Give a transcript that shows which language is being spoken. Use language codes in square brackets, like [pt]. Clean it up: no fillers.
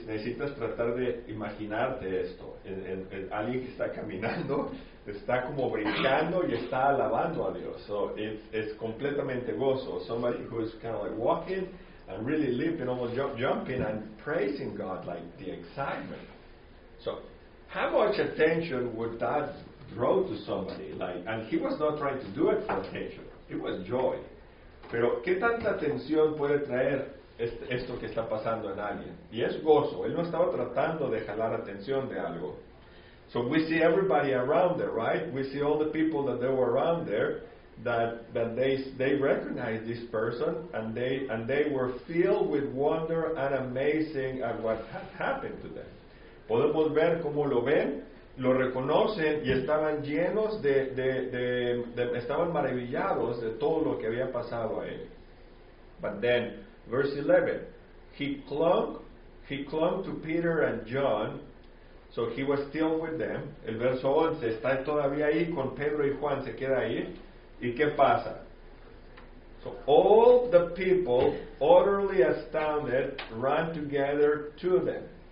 [es] Necesitas tratar de imaginarte esto. En alguien que está caminando, está como brincando y está alabando a Dios. [en] So, it's [es] completamente gozo. [en] Somebody who is kind of like walking and really leaping, almost jumping and praising God, like the excitement. So how much attention would that draw to somebody? Like, and he was not trying to do it for attention. It was joy. [es] Pero ¿qué tanta atención puede traer esto que está pasando en alguien? Y es gozo. Él no estaba tratando de jalar atención de algo. [en] So we see everybody around there, right? We see all the people that they were around there, that they recognized this person, and they were filled with wonder and amazing at what had happened to them. [es] Podemos ver cómo lo ven, lo reconocen, y estaban llenos de estaban maravillados de todo lo que había pasado a él. [en] But then, verse 11, he clung to Peter and John, so he was still with them. [es] El verso 11, está todavía ahí con Pedro y Juan, se queda ahí. ¿Y qué pasa? [en] So all the people, utterly astounded, ran together to them.